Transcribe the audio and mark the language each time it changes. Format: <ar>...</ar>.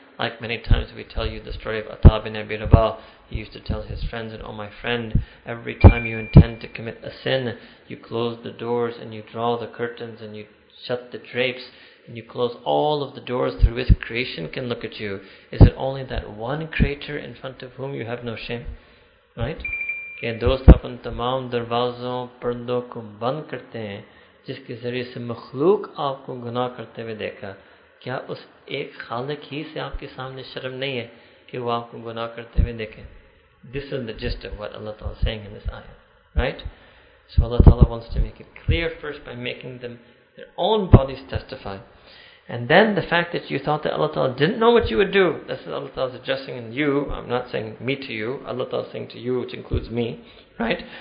<en>Like many times we tell you the story of Atta bin Abi Rabah. He used to tell his friends, and oh my friend, every time you intend to commit a sin, you close the doors and you draw the curtains and you shut the drapes and you close all of the doors through which creation can look at you. Is it only that one creator in front of whom you have no shame? Right? And those</en> <ur>تپن تمام دروازوں پردوں کو بند کرتے ہیں، جسکے ذریعے سے مخلوق آپکو گناہ کرتے ہوئے دیکھا. کیا اس ایک خالق ہی سے آپکے سامنے شرم نہیں ہے کہ وہ آپکو گناہ کرتے ہوئے دیکھے؟</ur> <en>This is the gist of what Allah Ta'ala is saying in this ayah, right? So Allah Ta'ala wants to make it clear first by making them their own bodies testify. And then the fact that you thought that Allah Ta'ala didn't know what you would do, this is Allah Ta'ala is addressing in you, I'm not saying me to you, Allah Ta'ala is saying to you, which includes me, right?</en>